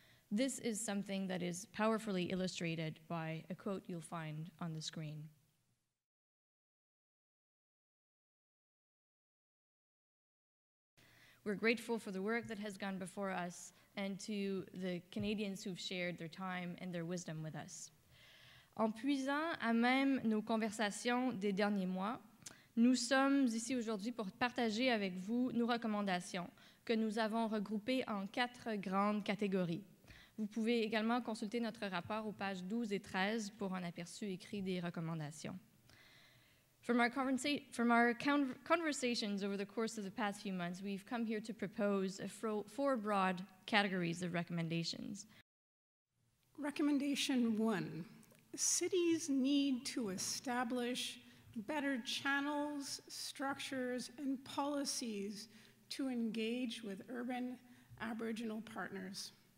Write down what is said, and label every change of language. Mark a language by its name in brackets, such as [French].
[English] This is something that is powerfully illustrated by a quote you'll find on the screen. We're grateful for the work that has gone before us and to the Canadians who've shared their time and their wisdom with us. [French] En puisant à même nos conversations des derniers mois, nous sommes ici aujourd'hui pour partager avec vous nos recommandations que nous avons regroupées en quatre grandes catégories. Vous pouvez également consulter notre rapport aux pages 12 et 13 pour un aperçu écrit des recommandations. [English] From our conversations over the course of the past few months, we've come here to propose four broad categories of recommendations. Recommendation one, cities need to establish better channels, structures, and policies to engage with urban Aboriginal partners.